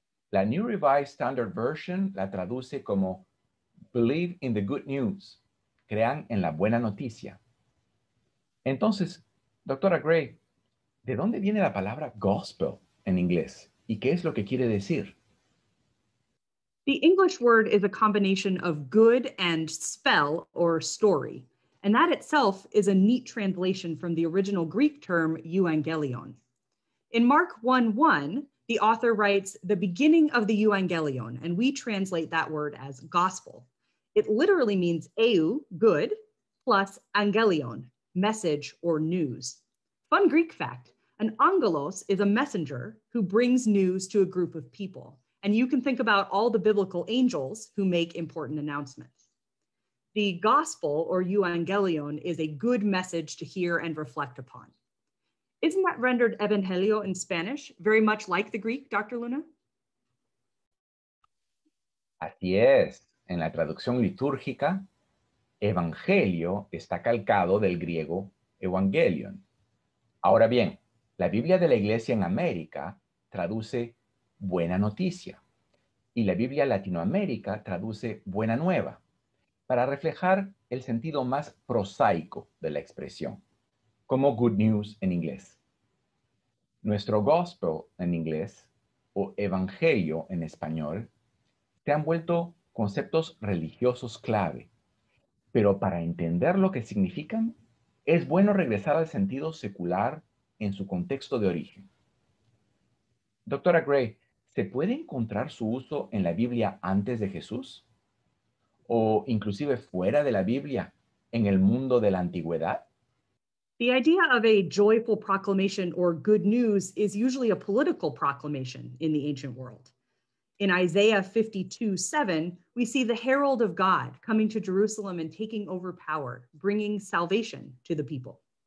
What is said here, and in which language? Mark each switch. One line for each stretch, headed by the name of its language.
Spanish: La New Revised Standard Version la traduce como
English: believe in the good news,
Spanish: crean en la buena noticia. Entonces, doctora Gray, ¿de dónde viene la palabra gospel en inglés? ¿Y qué es lo que quiere decir?
English: The English word is a combination of good and spell or story, and that itself is a neat translation from the original Greek term euangelion. In Mark 1:1, the author writes the beginning of the euangelion, and we translate that word as gospel. It literally means eu, good, plus angelion, message or news. Fun Greek fact, an angelos is a messenger who brings news to a group of people. And you can think about all the biblical angels who make important announcements. The gospel or euangelion is a good message to hear and reflect upon. Isn't that rendered evangelio in Spanish very much like the Greek, Dr. Luna?
Spanish: Así es. En la traducción litúrgica, evangelio está calcado del griego evangelion. Ahora bien, la Biblia de la Iglesia en América traduce buena noticia, y la Biblia Latinoamérica traduce buena nueva, para reflejar el sentido más prosaico de la expresión, como
English: good news
Spanish: en inglés. Nuestro gospel en inglés, o evangelio en español, se han vuelto conceptos religiosos clave, pero para entender lo que significan, es bueno regresar al sentido secular en su contexto de origen. Doctora Gray, ¿se puede encontrar su uso en la Biblia antes de Jesús? ¿O inclusive fuera de la Biblia, en el mundo de la antigüedad?
English: The idea of a joyful proclamation or good news is usually a political proclamation in the ancient world. In Isaiah 52:7, we see the herald of God coming to Jerusalem and taking over power, bringing salvation to the people.